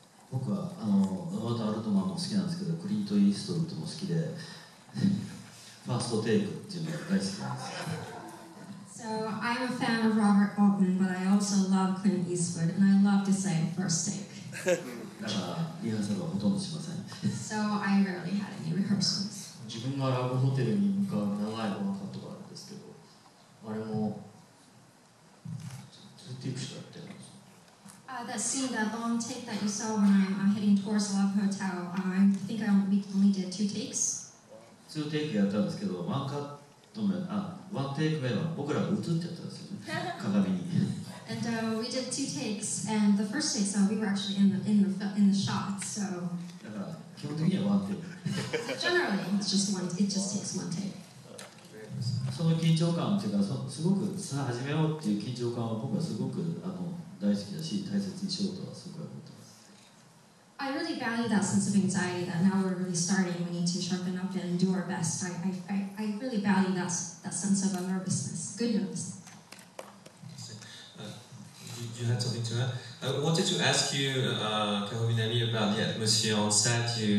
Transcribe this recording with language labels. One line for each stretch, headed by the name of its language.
Japanese: 僕はあのロバート・アルトマンも好きなんですけど、クリント・イーストウッドも好きで、ファーストテイクっていうのが大好きなんです。
English: So I'm a fan of Robert Altman, but I also love Clint Eastwood, and I love to say first take. So I rarely had any rehearsals.
Japanese: 自分がラブホテルに向かう長いワンカットがあるんですけど、あれも2テイクしかやってないんです。
English: That scene, that long take that you saw when I'm heading towards Love Hotel, I think I only did 2 takes.
Japanese: 2テイクやったんですけど、ワンカット。ワンテイク目は僕らが映ってたんですよね、鏡に。
English: And we did 2 takes, and the first take, so we were actually in the shot, so...
Japanese: だから、基本的にはワンテイク。
English: Generally, it's just one, it just takes one take.
Japanese: その緊張感っていうか、すごく、さあ始めようっていう緊張感は僕はすごく大好きだし、大切にしようとはすごく思ってます。
English: I really value that sense of anxiety that now we're really starting, we need to sharpen up and do our best. I really value that sense of a nervousness, good nervousness. You had something to add? I wanted to ask you, Kahuminami, about the atmosphere on set.